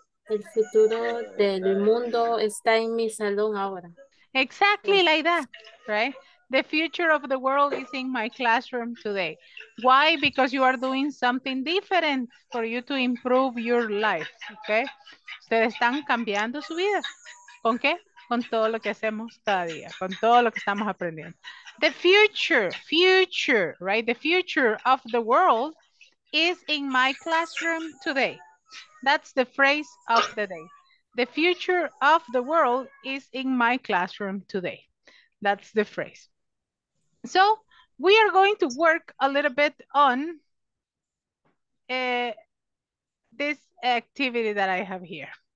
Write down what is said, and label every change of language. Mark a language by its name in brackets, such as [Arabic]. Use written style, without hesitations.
[Spanish] El futuro del mundo está en mi salón ahora. [English] Exactly like that, right? The future of the world is in my classroom today. Why? Because you are doing something different for you to improve your life, okay? [Spanish] Ustedes están cambiando su vida. ¿Con qué? Con todo lo que hacemos cada día, con todo lo que estamos aprendiendo. [English] The future, right? The future of the world is in my classroom today. That's the phrase of the day. The future of the world is in my classroom today. That's the phrase. So we are going to work a little bit on this activity that I have here.